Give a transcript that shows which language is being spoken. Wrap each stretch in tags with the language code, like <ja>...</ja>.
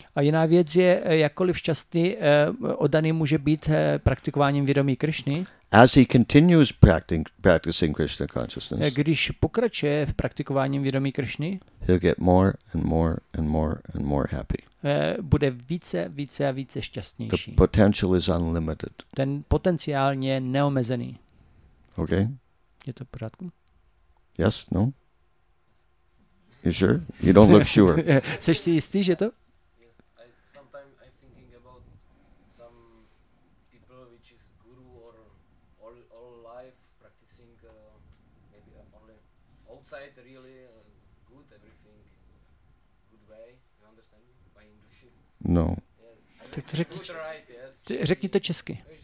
<cs>A jiná věc je, jakkoliv šťastný oddaný může být praktikováním vědomí Krishny.</cs> <en>As he continues practicing Krishna consciousness.</en> <cs>Když pokračuje v praktikováním vědomí Krishny.</cs> <en>He'll get more and more and more and more happy.</en> <cs>Bude více a více šťastnější.</cs> <en>The potential is unlimited.</en> <cs>Ten potenciál je neomezený.</cs> <en>Okay.</en> <cs>Je to v pořádku?</cs> <en>Yes, no. You sure? You don't look sure.</en> <cs>Seš si jistý, že to?</cs> <en>Yes, sometimes I'm thinking about some people which is guru or all life practicing maybe only outside really good everything good way. You understand my English? No.</en> <cs>Yeah, to řekni, řekni to česky.</cs>